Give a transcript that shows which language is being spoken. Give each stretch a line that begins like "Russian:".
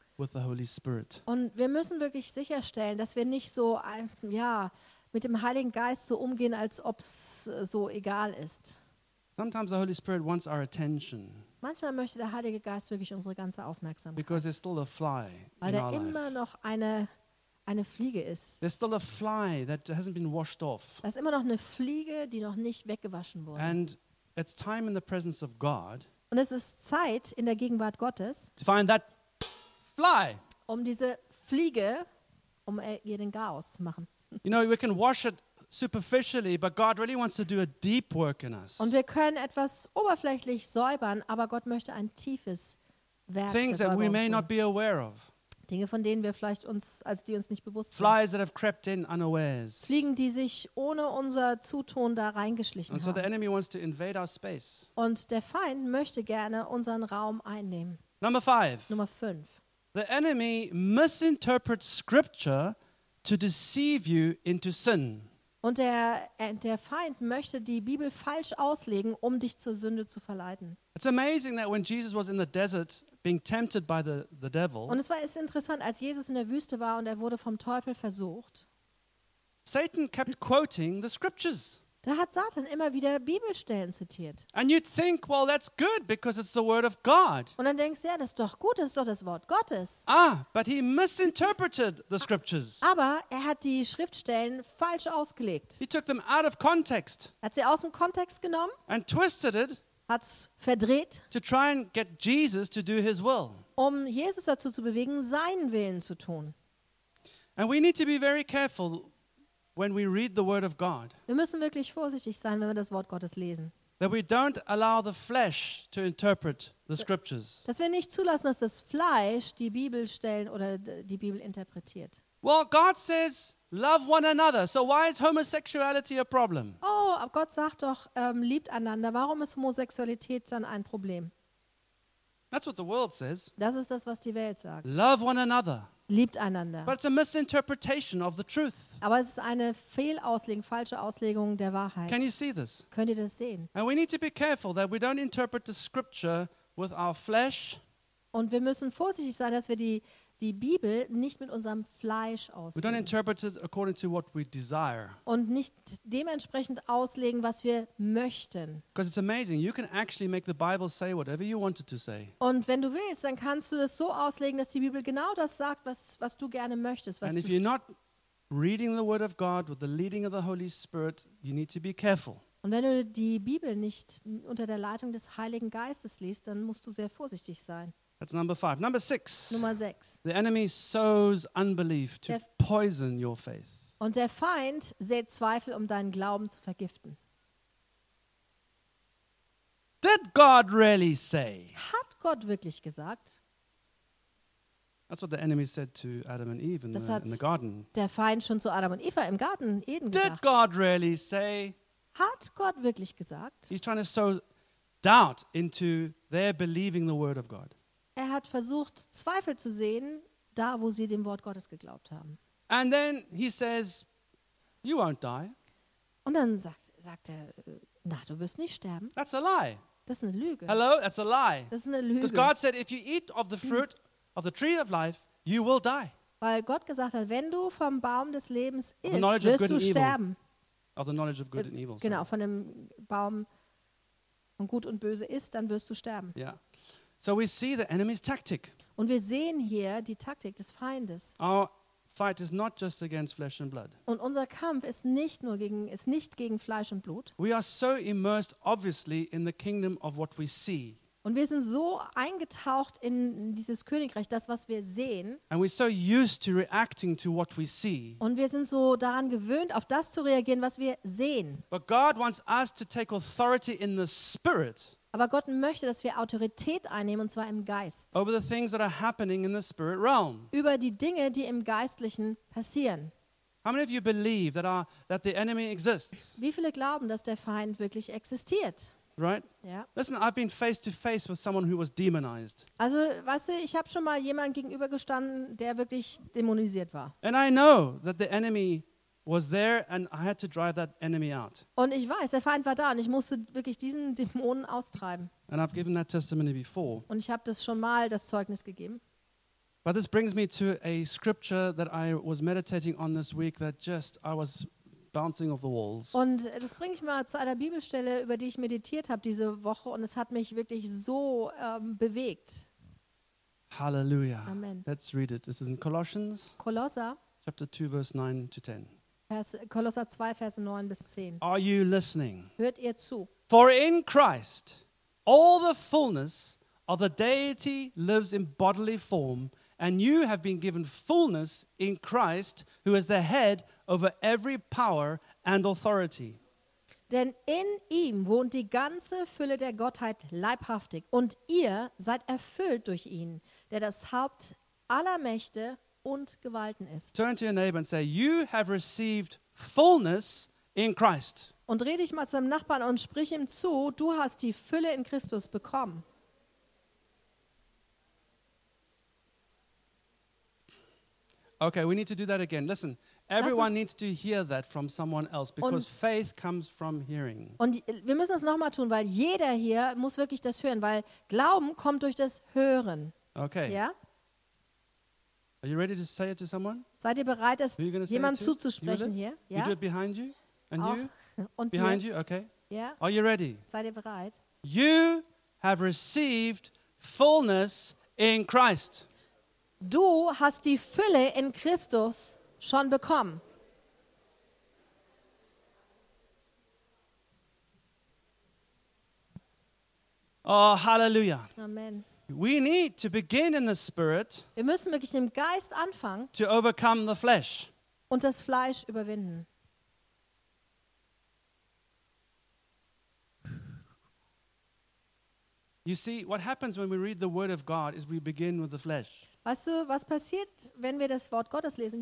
English: With the Holy Spirit.
German: Und wir müssen wirklich sicherstellen, dass wir nicht so ja, mit dem Heiligen Geist so umgehen, als ob es so egal ist.
English: Sometimes the Holy Spirit wants our attention.
German: Manchmal möchte der Heilige Geist wirklich unsere ganze Aufmerksamkeit.
English: Because there's still a fly
German: Weil
English: in
German: da immer
English: life.
German: Noch eine Fliege ist.
English: There's still a fly that hasn't been washed off.
German: Da ist immer noch eine Fliege, die noch nicht weggewaschen wurde.
English: And It's time in the presence of God.
German: Und es ist Zeit in der Gegenwart Gottes.
English: To find that fly.
German: Um diese Fliege, um ihr den Chaos zu machen.
English: You know, we can wash it superficially, but God really wants to do a deep work in us.
German: Und wir können etwas oberflächlich säubern, aber Gott möchte ein tiefes Werk.
English: Things that we may not be aware of.
German: Dinge, von denen wir vielleicht uns, also die uns nicht bewusst
English: Flies
German: sind.
English: That have crept in unawares.
German: Fliegen, die sich ohne unser Zutun da reingeschlichen
English: And
German: haben.
English: So the enemy wants to invade our space.
German: Und der Feind möchte gerne unseren Raum einnehmen. Nummer 5.
English: The enemy misinterprets scripture to deceive you into sin.
German: Und der Feind möchte die Bibel falsch auslegen, um dich zur Sünde zu verleiten.
English: It's amazing that when Jesus was in the desert being tempted by the devil.
German: Und es ist interessant, als Jesus in der Wüste war und er wurde vom Teufel versucht.
English: Satan kept quoting the scriptures.
German: Da hat Satan immer wieder Bibelstellen zitiert.
English: And you'd think, well, that's good because it's the word of God.
German: Und dann denkst du, ja, das ist doch gut, das ist doch das Wort Gottes.
English: Ah, but he misinterpreted the scriptures.
German: Aber er hat die Schriftstellen falsch ausgelegt.
English: He took them out of context.
German: Hat sie aus dem Kontext genommen.
English: And twisted it.
German: Hat's verdreht.
English: To try and get Jesus to do his will.
German: Um Jesus dazu zu bewegen, seinen Willen zu tun.
English: And we need to be very careful. When we read the word of God.
German: Wir müssen wirklich vorsichtig sein, wenn wir das Wort Gottes lesen.
English: That we don't allow the flesh to interpret the scriptures.
German: Dass wir nicht zulassen, dass das Fleisch die Bibelstellen oder die Bibel interpretiert.
English: Well, God says love one another. So why is homosexuality a problem?
German: Oh, Gott sagt doch liebt einander. Warum ist Homosexualität dann ein Problem?
English: That's what the world says.
German: Das ist das, was die Welt sagt.
English: Love one another.
German: Liebt einander.
English: But it's a misinterpretation of the truth.
German: Aber es ist eine Fehlauslegung, falsche Auslegung der Wahrheit.
English: Can you see this?
German: Könnt ihr das sehen?
English: And we need to be careful that we don't interpret the scripture with our flesh.
German: Und wir müssen vorsichtig sein, dass wir die Bibel nicht mit unserem Fleisch auslegen.
English: We don't interpret it according to what we desire.
German: Und nicht dementsprechend auslegen, was wir möchten.
English: Because it's amazing, you can actually make the Bible say whatever you want it to say.
German: Und wenn du willst, dann kannst du das so auslegen, dass die Bibel genau das sagt, was du gerne möchtest. Was
English: And if you're not reading the Word of God with the leading of the Holy Spirit, you need to be careful.
German: Und wenn du die Bibel nicht unter der Leitung des Heiligen Geistes liest, dann musst du sehr vorsichtig sein.
English: That's number 5. Number 6.
German: Nummer 6.
English: The enemy sows unbelief to poison your faith.
German: Und der Feind sät Zweifel, um deinen Glauben zu vergiften.
English: Did God really say?
German: Hat Gott wirklich gesagt?
English: That's what the enemy said to Adam and Eve in the garden.
German: Der Feind schon zu Adam und Eva im Garten Eden gesagt.
English: Did God really say?
German: Hat Gott wirklich gesagt?
English: He's trying to sow doubt into their believing the word of God.
German: Er hat versucht, Zweifel zu sehen, da wo sie dem Wort Gottes geglaubt haben.
English: And then he says, you won't die.
German: Und dann sagt er, na, du wirst nicht sterben.
English: That's a lie.
German: Das ist eine Lüge.
English: Hello, that's a lie.
German: Das ist eine Lüge.
English: Because God said, if you eat of the fruit of the tree of life, you will die.
German: Weil Gott gesagt hat, wenn du vom Baum des Lebens isst, wirst du sterben.
English: Of the knowledge of good and evil.
German: Genau, von dem Baum von Gut und Böse isst, dann wirst du sterben.
English: Ja. Yeah. So we see the enemy's tactic.
German: Und wir sehen hier die Taktik des Feindes.
English: Our fight is not just against flesh and blood.
German: Und unser Kampf ist nicht nur gegen Fleisch und Blut.
English: We are so immersed obviously in the kingdom of what we see.
German: Und wir sind so eingetaucht in dieses Königreich, das was wir sehen.
English: And we're so used to reacting to what we see.
German: Und wir sind so daran gewöhnt, auf das zu reagieren, was wir sehen.
English: But God wants us to take authority in the spirit.
German: Aber Gott möchte, dass wir Autorität einnehmen, und zwar im Geist.
English: Over the things that are happening in the spirit realm.
German: Über die Dinge, die im Geistlichen passieren.
English: How many of you believe that the enemy exists?
German: Wie viele glauben, dass der Feind wirklich existiert?
English: Right? Yeah. Listen, I've been face to face with someone who was demonized.
German: Also, weißt du, ich habe schon mal jemanden gegenübergestanden, der wirklich dämonisiert war.
English: And I know that the enemy was there and I had to drive that enemy out.
German: Und ich weiß, der Feind war da und ich musste wirklich diesen Dämonen austreiben.
English: And I've given that testimony before.
German: Und ich habe das schon mal das Zeugnis gegeben.
English: But this brings me to a scripture that I was meditating on this week that just I was bouncing off the walls.
German: Und das bringt mich mal zu einer Bibelstelle, über die ich meditiert habe diese Woche und es hat mich wirklich so bewegt. Hallelujah. Amen.
English: Let's read it. This is in Colossians.
German: Kolosser.
English: Chapter 2 verse 9 to 10.
German: Kolosser 2, Verse 9 bis 10.
English: Are you listening?
German: Hört ihr zu?
English: For in Christ all the fullness of the deity lives in bodily form, and you have been given fullness in Christ, who is the head over every power and authority.
German: Denn in ihm wohnt die ganze Fülle der Gottheit leibhaftig, und ihr seid erfüllt durch ihn, der das Haupt aller Mächte und Gewalten ist.
English: Turn to your neighbor and say, you have received fullness in Christ.
German: Und dreh dich mal zu deinem Nachbarn und sprich ihm zu, du hast die Fülle in Christus bekommen.
English: Okay, we need to do that again. Listen, everyone needs to hear that from someone else, because faith comes from hearing.
German: Und wir müssen das nochmal tun, weil jeder hier muss wirklich das hören, weil Glauben kommt durch das Hören.
English: Okay.
German: Ja?
English: Are you ready to say it to someone?
German: Seid ihr bereit, das jemandem zuzusprechen hier?
English: Ja? You do it behind you? And
German: auch.
English: You?
German: Und
English: behind
German: dir.
English: You, okay. Yeah. Are you ready?
German: Seid ihr bereit?
English: You have received fullness in Christ.
German: Du hast die Fülle in Christus schon bekommen. Oh, halleluja. Amen.
English: We need to begin in the spirit.
German: Wir müssen wirklich im Geist anfangen.
English: To overcome the flesh.
German: Und das Fleisch überwinden.
English: You see, what happens when we read the word of God is we begin with the flesh.
German: Weißt du, was passiert, wenn wir das Wort Gottes lesen?